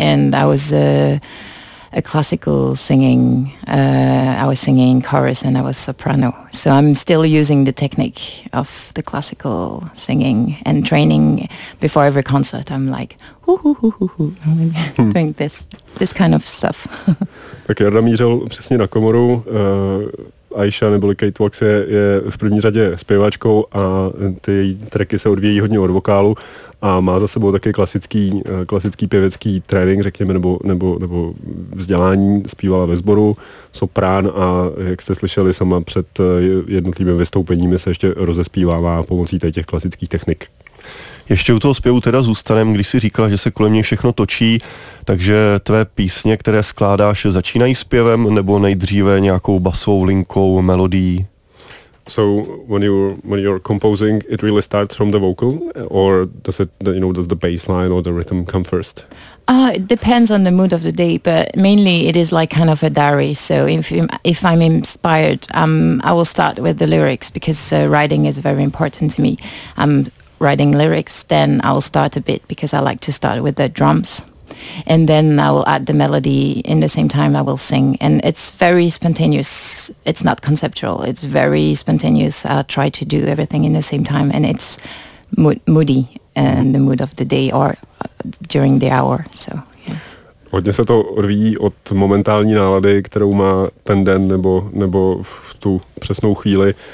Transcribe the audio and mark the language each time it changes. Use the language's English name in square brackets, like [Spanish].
[English] And I was a classical singing. I was singing chorus and I was soprano. So I'm still using the technique of the classical singing and training before every concert. I'm like, doing this kind of stuff. [Czech] Tak Jarda mířil přesně na komoru. Aisha neboli Kate Wex je v první řadě zpěvačkou a ty její tracky se odvíjí hodně od vokálu a má za sebou taky klasický pěvecký trénink, řekněme, nebo vzdělání. Zpívala ve sboru, soprán, a jak jste slyšeli sama před jednotlivými vystoupeními, se ještě rozespívává pomocí těch klasických technik. Ještě u toho zpěvu teda zůstanem, když jsi říkala, že se kolem něj všechno točí, takže tvé písně, které skládáš, začínají zpěvem nebo nejdříve nějakou basovou linkou, melodií? [English] So when you're composing, it really starts from the vocal, or does it, you know, does the bass line or the rhythm come first? It depends on the mood of the day, but mainly it is like kind of a diary. So if I'm inspired, I will start with the lyrics, because writing is very important to me. Writing lyrics, then I'll start a bit, because I like to start with the drums, and then I will add the melody in the same time I will sing, and it's very spontaneous. It's not conceptual, it's very spontaneous. I try to do everything in the same time, and it's moody and the mood of the day or during the hour. So yeah. [Czech] Hodně se to odvíjí od momentální nálady, kterou má ten den nebo v tu přesnou chvíli.